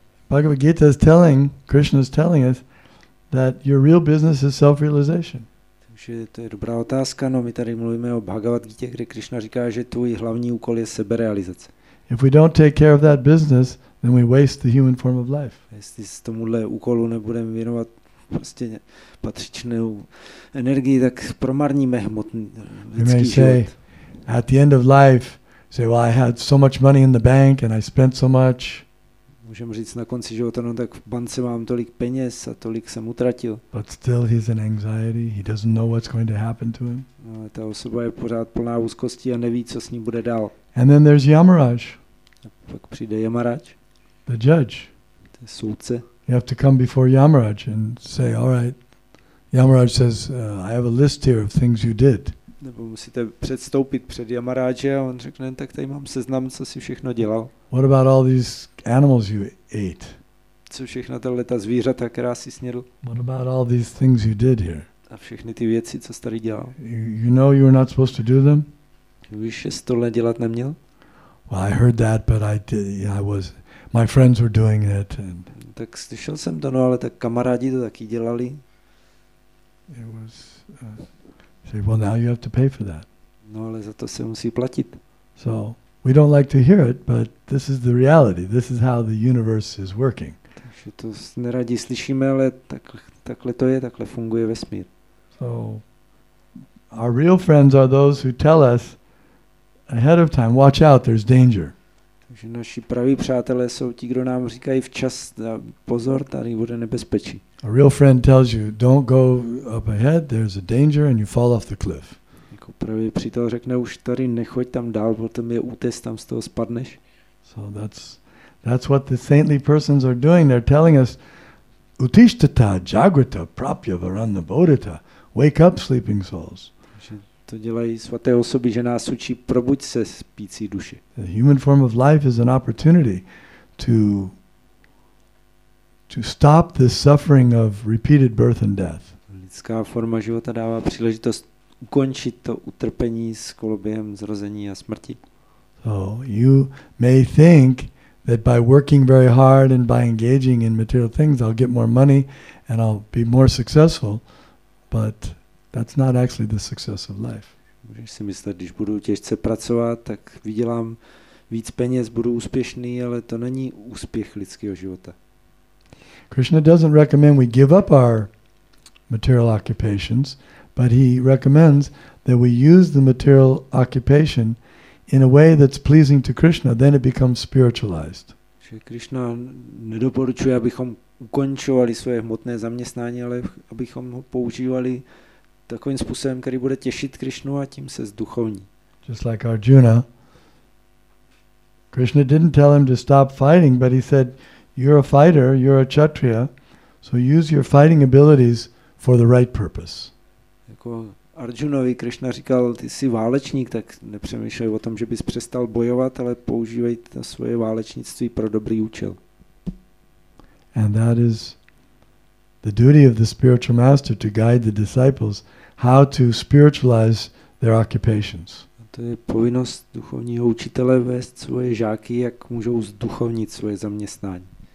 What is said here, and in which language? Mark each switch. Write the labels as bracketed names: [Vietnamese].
[English] Bhagavad Gita is telling, Krishna is telling us, that your real business is self-realization. [Czech] Takže to je dobrá otázka, no my tady mluvíme o Bhagavad Gita, kde Krishna říká, že tvůj hlavní úkol je seberealizace. [English] If we don't take care of that business, then we waste the human form of life. [Czech] Jestli se tomuhle úkolu nebudeme věnovat prostě patřičnou energii, tak promarníme hmotný lidský život. [English] You may say, at the end of life, say, well, I had so much money in the bank and I spent so much. [Czech] můžeme říct na konci života, no tak v bance mám tolik peněz a tolik jsem utratil. [English] But still he's in anxiety. He doesn't know what's going to happen to him. [Czech] No, ta osoba je pořád plná úzkosti a neví, co s ní bude dál. [English] And then there's Yamaraj. [Czech] A pak přijde Yamaraj. [English] The judge. [Czech] Ten soudce. [English] You have to come before Yamaraj and say, all right. Yamaraj says, I have a list here of things you did. [Czech] Nebo musíte předstoupit před Yamaráže a on řekne, tak tady mám seznam, co si všechno dělal. [English] What about all these animals you ate? [Czech] Co všechno tohle ta zvířata, která si snědl? [English] What about all these things you did here? [Czech] A všechny ty věci, co tady dělal? [English] You know you were not supposed to do them? [Czech] Víš, že jsi tohle dělat neměl? [English] Well, I heard that, but I did, I was, my friends were doing it. And... [Czech] Tak slyšel jsem to, no ale tak kamarádi to taky dělali. [English] It was, say, well, now you have to pay for that. [Czech] No, ale za to se musí platit. [English] So we don't like to hear it, but this is the reality. This is how the universe is working. [Czech] Takže to neradi slyšíme, ale takhle to je, takhle funguje vesmír. [English] So our real friends are those who tell us ahead of time, watch out, there's danger. [Czech] Takže naši praví přátelé jsou ti, kdo nám říkají včas, pozor, tady bude nebezpečí. [English] A real friend tells you, don't go up ahead, there's a danger and you fall off the cliff. [Czech] Jako pravý přítel řekne, už tady nechoď tam dál, potom je útes, tam z toho spadneš. [English] So that's what the saintly persons are doing. They're telling us, [Sanskrit] utishtata jagrata prapya varanna bodhita, [English] wake up sleeping souls. [Czech] To dělají svaté osoby, že nás učí, probuď se spící duši. [English] The human form of life is an opportunity to stop the suffering of repeated birth and death. [Czech] Lidská forma života dává příležitost ukončit to utrpení s kolobiem zrození a smrti. [English] So you may think that by working very hard and by engaging in material things I'll get more money and I'll be more successful, but that's not actually the success of life. [Czech] Můžeš si myslet, když budu těžce pracovat, tak vydělám víc peněz, budu úspěšný, ale to není úspěch lidského života. [English] Krishna doesn't recommend we give up our material occupations, but he recommends that we use the material occupation in a way that's pleasing to Krishna, then it becomes spiritualized. [Czech] Krishna nedoporučuje, abychom ukončovali svoje hmotné zaměstnání, ale abychom ho používali takovým způsobem, který bude těšit Krishnu a tím se zduchovní. [English] Just like Arjuna, Krishna didn't tell him to stop fighting, but he said, you're a fighter, you're a kshatriya, so use your fighting abilities for the right purpose. [Czech] Jako Arjunovi Krishna říkal, ty jsi válečník, tak nepřemýšlej o tom, že bys přestal bojovat, ale používej to svoje válečnictví pro dobrý účel. [English] And that is the duty of the spiritual master to guide the disciples how to spiritualize their occupations. [Czech] To je povinnost duchovního učitele vést svoje žáky, jak můžou zduchovnit svoje zaměstnání.